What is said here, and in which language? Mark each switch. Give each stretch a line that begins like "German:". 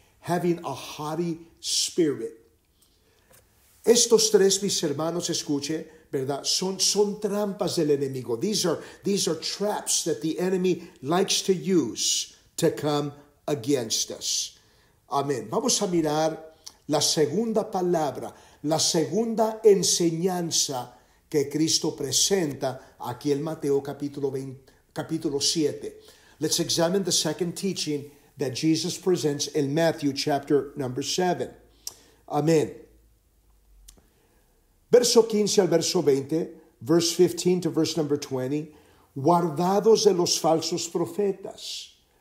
English: Having a haughty spirit.
Spanish: Estos tres, mis hermanos, escuche, ¿verdad? Son trampas del enemigo.
English: These are traps that the enemy likes to use to come against us.
Spanish: Amén. Vamos a mirar la segunda palabra, la segunda enseñanza que Cristo presenta aquí en Mateo capítulo 7.
English: Let's examine the second teaching that Jesus presents in Matthew chapter number 7. Amén.
Spanish: Verso 15 al verso 20,
English: verse 15 to verse number 20,
Spanish: guardados de los falsos profetas.